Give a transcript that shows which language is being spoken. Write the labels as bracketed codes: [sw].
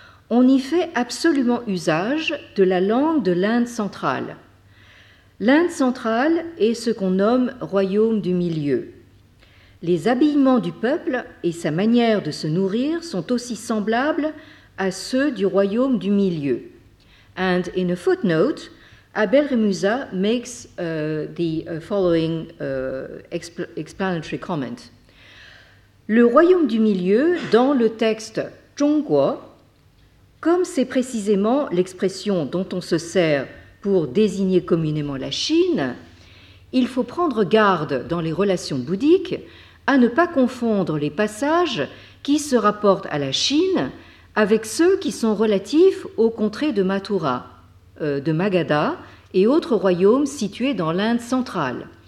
[fr] On y fait absolument usage de la langue de l'Inde centrale. L'Inde centrale est ce qu'on nomme royaume du milieu. Les habillements du peuple et sa manière de se nourrir sont aussi semblables à ceux du royaume du milieu. [en] And in a footnote, Abel Remusa makes the following explanatory comment. [fr] Le royaume du milieu, dans le texte Zhongguo, comme c'est précisément l'expression dont on se sert pour désigner communément la Chine, il faut prendre garde dans les relations bouddhiques à ne pas confondre les passages qui se rapportent à la Chine avec ceux qui sont relatifs aux contrées de Mathura, de Magadha et autres royaumes situés dans l'Inde centrale.